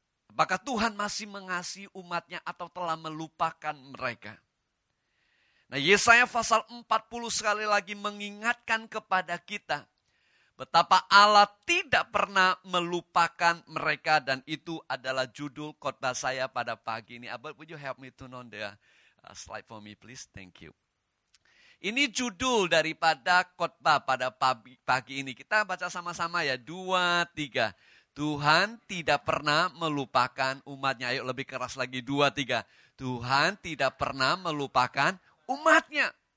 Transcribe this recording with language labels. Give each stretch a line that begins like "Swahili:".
Indonesian: Apakah Tuhan masih mengasihi umatnya atau telah melupakan mereka? Nah Yesaya pasal 40 sekali lagi mengingatkan kepada kita betapa Allah tidak pernah melupakan mereka dan itu adalah judul khotbah saya pada pagi ini.
English: Abel, would you help me to turn the slide for me please? Thank you.
Indonesian: Ini judul daripada khotbah pada pagi ini. Kita baca sama-sama ya, 2, 3. Tuhan tidak pernah melupakan umatnya. Ayo lebih keras lagi, 2, 3. Tuhan tidak pernah melupakan umatnya.